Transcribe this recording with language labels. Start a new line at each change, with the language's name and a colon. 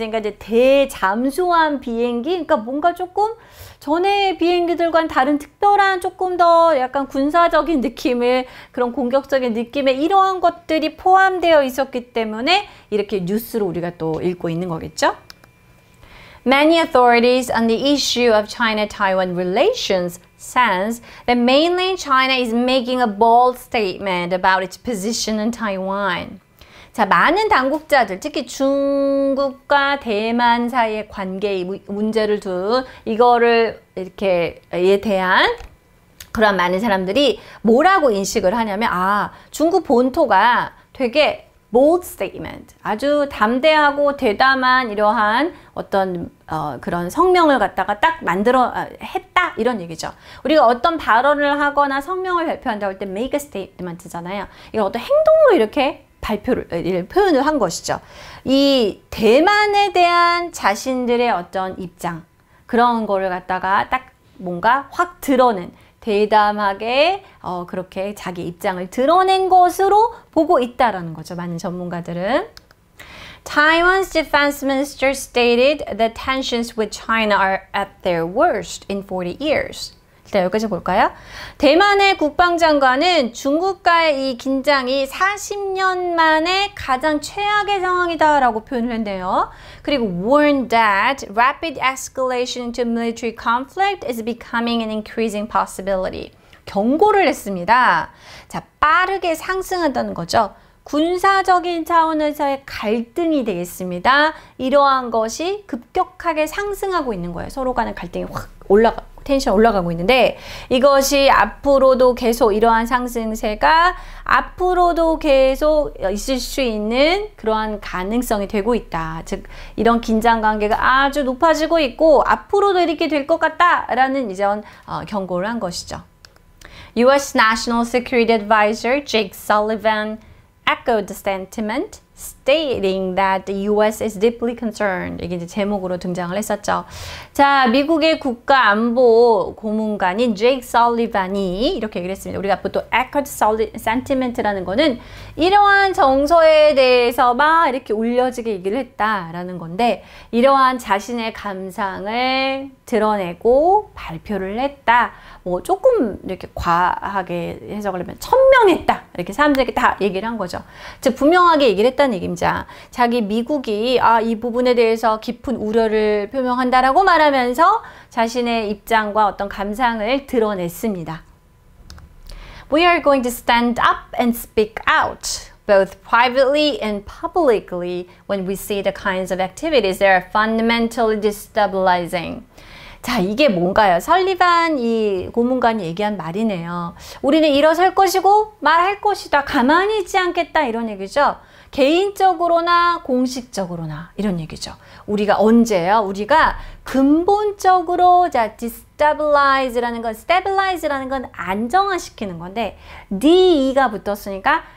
Korean: 그러니까 이제 대잠수함 비행기. 그러니까 뭔가 조금 전에 비행기들과는 다른 특별한 조금 더 약간 군사적인 느낌의 그런 공격적인 느낌의 이러한 것들이 포함되어 있었기 때문에 이렇게 뉴스로 우리가 또 읽고 있는 거겠죠?
English: Many authorities on the issue of China-Taiwan relations sense that mainland China is making a bold statement about its position in Taiwan.
Korean: 자, 많은 당국자들, 특히 중국과 대만 사이의 관계 문제를 둔 이거를 이렇게 에 대한 그런 많은 사람들이 뭐라고 인식을 하냐면, 아, 중국 본토가 되게
English: bold statement,
Korean: 아주 담대하고 대담한 이러한 어떤 그런 성명을 갖다가 딱 만들어 했다 이런 얘기죠. 우리가 어떤 발언을 하거나 성명을 발표한다고 할때
English: make a statement
Korean: 잖아요. 이걸 어떤 행동으로 이렇게 발표를 표현을 한 것이죠. 이 대만에 대한 자신들의 어떤 입장 그런 거를 갖다가 딱 뭔가 확 드러낸. 대담하게 그렇게 자기 입장을 드러낸 것으로 보고 있다라는 거죠. 많은 전문가들은
English: Taiwan's defense minister stated that tensions with China are at their worst in 40 years.
Korean: 일단 여기까지 볼까요? 대만의 국방장관은 중국과의 이 긴장이 40년 만에 가장 최악의 상황이다라고 표현을 했네요. 그리고
English: warned that rapid escalation into military conflict is becoming an increasing possibility.
Korean: 경고를 했습니다. 자, 빠르게 상승한다는 거죠. 군사적인 차원에서의 갈등이 되겠습니다. 이러한 것이 급격하게 상승하고 있는 거예요. 서로 간의 갈등이 확 올라가, 텐션 올라가고 있는데 이것이 앞으로도 계속 이러한 상승세가 앞으로도 계속 있을 수 있는 그러한 가능성이 되고 있다. 즉, 이런 긴장 관계가 아주 높아지고 있고 앞으로도 이렇게 될것 같다라는 이전 경고를 한 것이죠.
English: U.S. National Security Advisor Jake Sullivan echoed the sentiment, stating that the U.S. is deeply concerned.
Korean: 이게 이제 제목으로 등장을 했었죠. 자, 미국의 국가안보 고문관인 제이크 설리반이 이렇게 얘기를 했습니다. 우리가 보통
English: echoed sentiment
Korean: 라는 거는 이러한 정서에 대해서 막 이렇게 울려지게 얘기를 했다라는 건데, 이러한 자신의 감상을 드러내고 발표를 했다. 뭐 조금 이렇게 과하게 해석을 하면 천명했다. 이렇게 사람들에게 다 얘기를 한 거죠. 즉, 분명하게 얘기를 했다는 얘기입니다. 자기 미국이 아, 이 부분에 대해서 깊은 우려를 표명한다라고 말하면서 자신의 입장과 어떤 감상을 드러냈습니다.
English: We are going to stand up and speak out, both privately and publicly, when we see the kinds of activities that are fundamentally destabilizing.
Korean: 자, 이게 뭔가요? 설리반 이 고문관이 얘기한 말이네요. 우리는 일어설 것이고 말할 것이다. 가만히 있지 않겠다. 이런 얘기죠. 개인적으로나 공식적으로나. 이런 얘기죠. 우리가 언제요? 우리가 근본적으로, 자, destabilize라는 건 안정화시키는 건데, D가 붙었으니까